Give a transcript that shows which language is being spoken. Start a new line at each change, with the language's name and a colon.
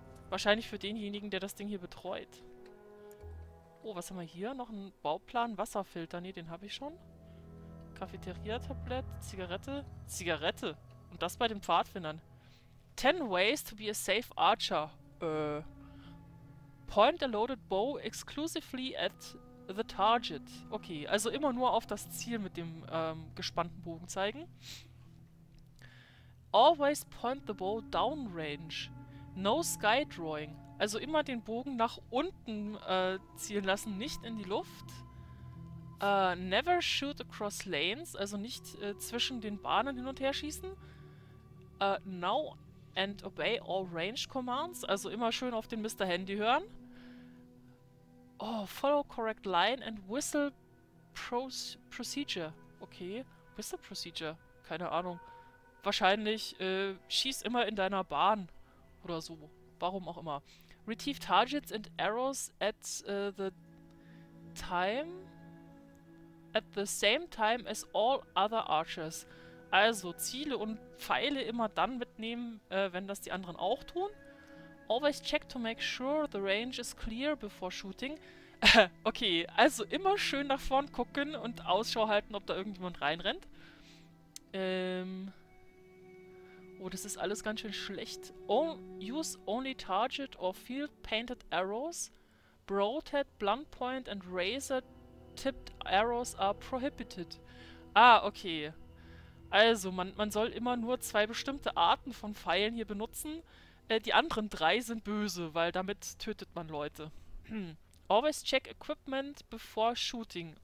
German: Wahrscheinlich für denjenigen, der das Ding hier betreut. Oh, was haben wir hier? Noch ein Bauplan? Wasserfilter. Ne, den habe ich schon. Cafeteria-Tablett. Zigarette. Zigarette. Und das bei den Pfadfindern.
English: 10 ways to be a safe archer. Point a loaded bow exclusively at the target.
German: Okay, also immer nur auf das Ziel mit dem gespannten Bogen zeigen.
English: Always point the bow downrange. No sky drawing.
German: Also immer den Bogen nach unten zielen lassen, nicht in die Luft.
English: Never shoot across lanes,
German: also nicht zwischen den Bahnen hin und her schießen.
English: No and obey all range commands.
German: Also immer schön auf den Mr. Handy hören.
English: Oh, follow correct line and whistle procedure.
German: Okay, whistle procedure. Keine Ahnung. Wahrscheinlich schieß immer in deiner Bahn oder so. Warum auch immer.
English: Retrieve targets and arrows at the time. At the same time as all other archers.
German: Also Ziele und Pfeile immer dann mitnehmen, wenn das die anderen auch tun.
English: Always check to make sure the range is clear before shooting.
German: Okay, also immer schön nach vorn gucken und Ausschau halten, ob da irgendjemand reinrennt. Oh, das ist alles ganz schön schlecht.
English: Use only target or field painted arrows. Broadhead, blunt point and razor tipped arrows are prohibited. Ah, okay.
German: Also, man soll immer nur zwei bestimmte Arten von Pfeilen hier benutzen. Die anderen drei sind böse, weil damit tötet man Leute.
English: Always check equipment before shooting.